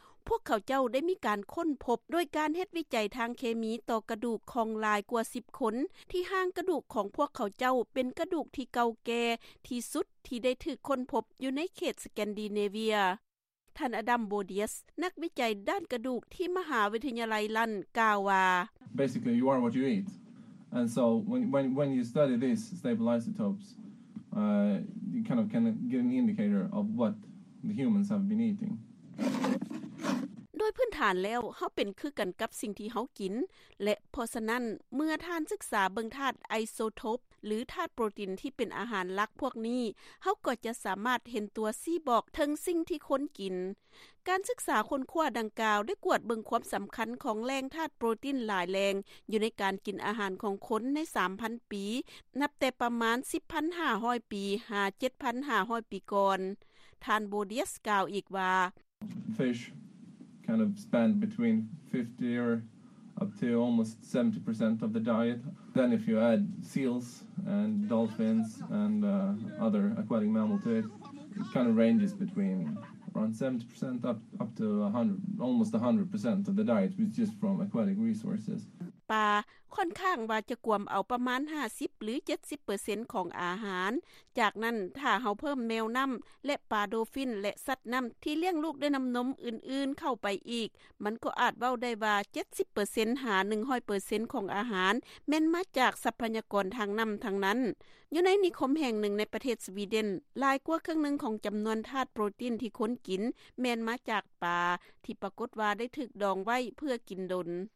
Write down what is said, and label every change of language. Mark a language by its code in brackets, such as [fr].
[tts] พวกเขาเจ้าได้มีการค้นพบโดยการเฮ็ดวิจัยทางเคมีต่อกระดูกของลายกว่า10คนที่ห้างกระดูกของพวกเขาเจ้าเป็นกระดูกที่เก่าแก่ที่สุดที่ได้ถูกค้นพบอยู่ในเขตสแกนดิเนเวียท่านอดัมโบเดียสนักวิจัยด้านกระดูกที่มหาวิทยาลัยลันกล่าวว่า [en] Basically you are what you eat. And so when you study this stable isotopes you kind of can get an indicator of what the humans have been eating. [tts] ดยพื้นฐานแล้วเฮาเป็นคือกันกับสิ่งที่เฮากินและเพราะฉะนั้นเมื่อท่านศึกษาเบิ่งธาตุไอโซโทปหรือธาตุโปรตีนที่เป็นอาหารหลักพวกนี้เฮาก็จะสามารถเห็นตัวซี้บอกถึงสิ่งที่คนกินการศึกษาค้นคว้าดังกล่าวได้กวดเบิ่งความสําคัญของแหล่งธาตุโปรตีนหลายแหล่งอยู่ในการกินอาหารของคนใน 3,000 ปีนับแต่ประมาณ 10,500 ปีหา 7,500 ปีก่อนท่านโบเดียสกล่าวอีกว่า [en] Fish kind of span between 50 or up to almost 70% of the diet. Then if you add seals and dolphins and other aquatic mammals to it, it kind of ranges between around 70% up to 100, almost 100% of the diet was just from aquatic resources. [tts] ปลาค่อนข้างว่าจะกวมเอาประมาณ 50 หรือ 70% ของอาหารจากนั้นถ้าเฮาเพิ่มแมวน้ำและปลาโดฟินและสัตว์น้ำที่เลี้ยงลูกด้วยน้ำนมอื่นๆเข้าไปอีกมันก็อาจเว้าได้ว่า 70% หา 100% ของอาหารแม้นมาจากทรัพยากรทางน้ำทั้งนั้นอยู่ในนิคมแห่งหนึ่งในประเทศสวีเดนลายกว่าครึ่งหนึ่งของจำนวนธาตุโปรตีนที่คนกินแม้นมาจากปลาที่ปรากฏว่าได้ถูกดองไว้เพื่อกินดน